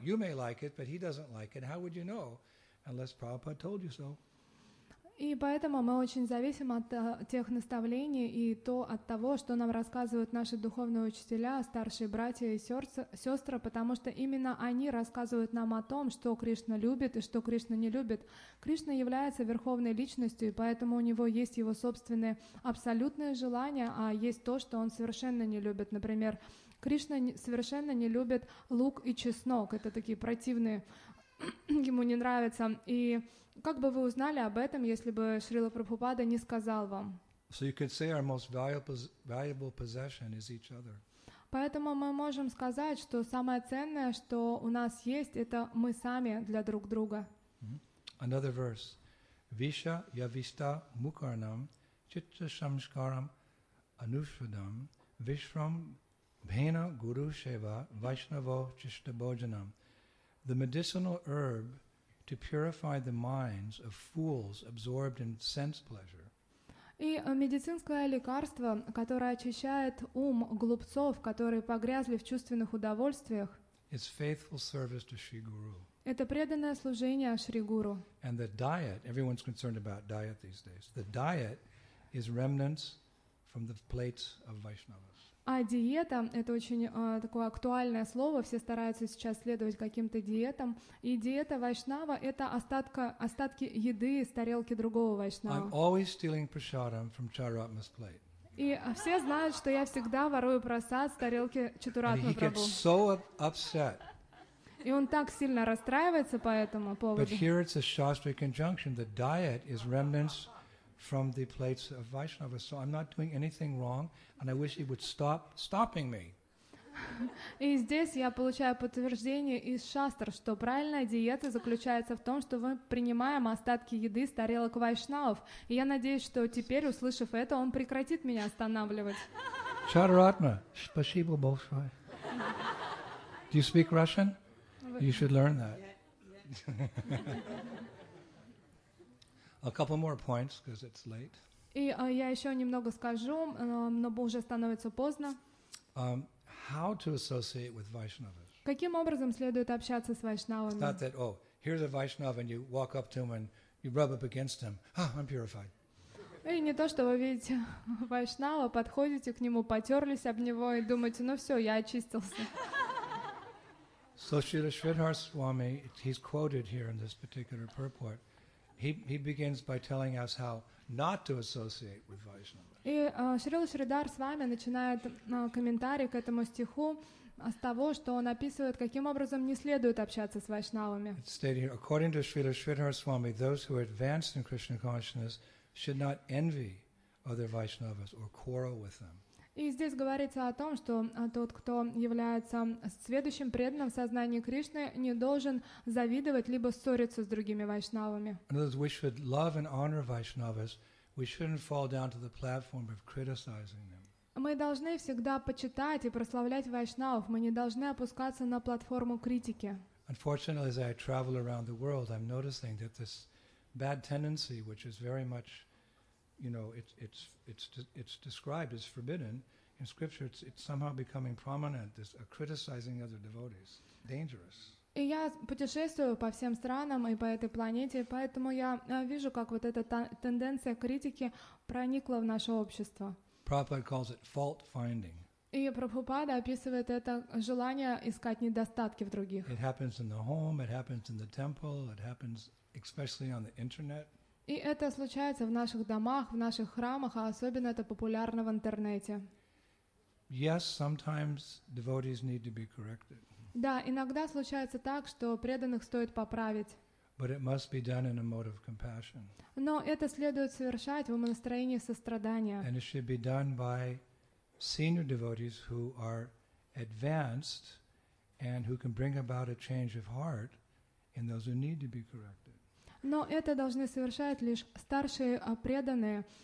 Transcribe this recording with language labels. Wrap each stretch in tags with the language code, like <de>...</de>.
<en>You may like it, but he doesn't like it. How would you know, unless Prabhupada told you so?</en> <ru>И поэтому мы очень зависим от тех наставлений и то от того, что нам рассказывают наши духовные учителя, старшие братья и сестры, потому что именно они рассказывают нам о том, что Кришна любит и что Кришна не любит. Кришна является верховной личностью, и поэтому у него есть его собственные абсолютные желания, а есть то, что он совершенно не любит. Например, Кришна совершенно не любит лук и чеснок. Это такие противные, ему не нравятся. И как бы вы узнали об этом, если бы Шрила Прабхупада не сказал вам?</ru> <en>So you could say our most valuable possession is each other.</en> <ru>Поэтому мы можем сказать, что самое ценное, что у нас есть, это мы сами для друг друга.</ru> <en>Mm-hmm. Another verse.</en> <sa>Виша явиста мукарнам читта самскарам анушвадам вишрам бхена гуру шева вайшнаво читта боджанам.</sa> <en>The medicinal herb to purify the minds of fools absorbed in sense pleasure.</en> <ru>И медицинское лекарство, которое очищает ум глупцов, которые погрязли в чувственных удовольствиях.</ru> <en>It's faithful service to Shri Guru.</en> <ru>Это преданное служение Шри Гуру.</ru> <en>And the diet, everyone's concerned about diet these days. The diet is remnants from the plates of Vaishnavas.</en> <ru>А диета — это очень такое актуальное слово, все стараются сейчас следовать каким-то диетам. И диета вайшнава — это остатки еды из тарелки другого вайшнава.</ru> <en>I'm always stealing prasadam from Charatma's plate.</en> <ru>И все знают, что я всегда ворую прасад с тарелки Чатуратма Прабху.</ru> <en>And he gets so upset.</en> <ru>И он так сильно расстраивается по этому поводу.</ru> <en>But here it's a shastric conjunction. The diet is remnants from the plates of Vaishnavas, so I'm not doing anything wrong, and I wish he would stop stopping me.</en> <ru>И здесь я получаю подтверждение из шастр, что правильная диета заключается в том, что мы принимаем остатки еды с тарелок вайшнавов. И я надеюсь, что теперь, услышав это, он прекратит меня останавливать. Чатуратма, спасибо большое.</ru> <en>Do you speak Russian? You should learn that. A couple more points, because it's late.</en> <ru>И я еще немного скажу, но уже становится поздно.</ru> <en>How to associate with Vaishnavas?</en> <ru>Каким образом следует общаться с вайшнавами?</ru> <en>It's not that, oh, here's a Vaishnava, and you walk up to him and you rub up against him. Ah, I'm purified.</en> <ru>И не то, что вы видите вайшнава, подходите к нему, потерлись об него и думаете, ну все, я очистился.</ru> <en>So Srila Sridhar Swami, he's quoted here in this particular purport. He begins by telling us how not to associate with Vaishnavas.</en> <ru>И Шрила Шридхар с вами начинает комментарий к этому стиху с того, что он описывает, каким образом не следует общаться с вайшнавами.</ru> <en>It's stated here, according to Srila Sridhar Swami, those who are advanced in Krishna consciousness should not envy other Vaishnavas or quarrel with them.</en> <ru>И здесь говорится о том, что тот, кто является сведущим преданным в сознании Кришны, не должен завидовать либо ссориться с другими вайшнавами.</ru> <en>In other words, we should love and honor Vaishnavas. We shouldn't fall down to the platform of criticizing them.</en> <ru>Мы должны всегда почитать и прославлять вайшнавов. Мы не должны опускаться на платформу критики.</ru> <en>Unfortunately, as I travel around the world, I'm noticing that this bad tendency, which is very much you know, it's described as forbidden in scripture. It's somehow becoming prominent, this criticizing other devotees. Dangerous.</en> <ru>И я путешествую по всем странам и по этой планете, поэтому я вижу, как вот эта тенденция критики проникла в наше общество.</ru> <en>Prabhupada calls it fault finding.</en> <ru>И Прабхупада описывает это желание искать недостатки в других.</ru> <en>It happens in the home, it happens in the temple, it happens especially on the internet.</en> <ru>И это случается в наших домах, в наших храмах, а особенно это популярно в интернете.</ru> <en>Yes, sometimes devotees need to be corrected.</en> <ru>Да, иногда случается так, что преданных стоит поправить.</ru> <en>But it must be done in a mode of compassion.</en> <ru>Но это следует совершать в настроении сострадания.</ru> <en>And it should be done by senior devotees who are advanced and who can bring about a change of heart in those who need to be corrected.</en> <ru>Но это должны совершать лишь старшие преданные.</ru>